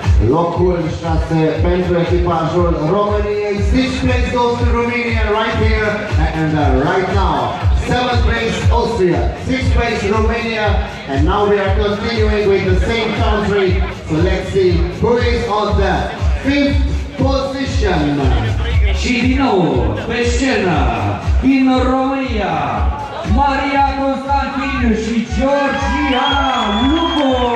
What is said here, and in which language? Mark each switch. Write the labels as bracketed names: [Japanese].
[Romanian] Locul 6 pentru echipajul României. [English] Sixth place goes to Romania right here and right now. Seventh place Austria, sixth place Romania, and now we are continuing with the same country. So let's see who is on the fifth position. [Romanian] Și din nou pe scenă din România, Maria Constantin și Georgia Lupo.